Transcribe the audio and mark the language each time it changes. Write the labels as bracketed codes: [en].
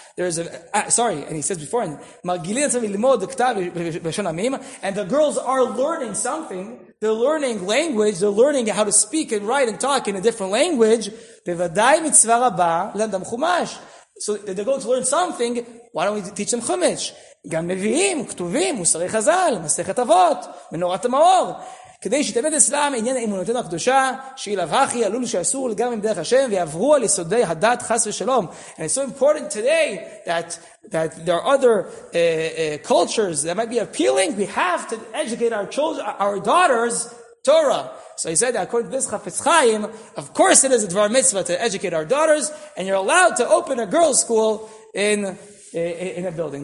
[en] And he says before, [he] מרגילים עצמם ללמוד כתב בלשון עמים. [en] And the girls are learning something. They're learning language, they're learning how to speak and write and talk in a different language. [he] בוודאי מצווה רבה ללמדם חומש. [en] So they're going to learn something, why don't we teach them חומש? [he] גם נביאים, כתובים, מוסרי חז"ל, מסכת אבות, מנורת המאור. כדי שיתמד אצלם עניין אמונתנו הקדושה, שילב הכי עלול שאסור לגמרי מדרך השם, ויעברו על יסודי הדת חס ושלום. [en] And it's so important today that there are other cultures that might be appealing. We have to educate our children, our daughters, Torah. So he said, according to this Chafetz Chaim, of course it is a dvar mitzvah to educate our daughters, and you're allowed to open a girl's school in a building.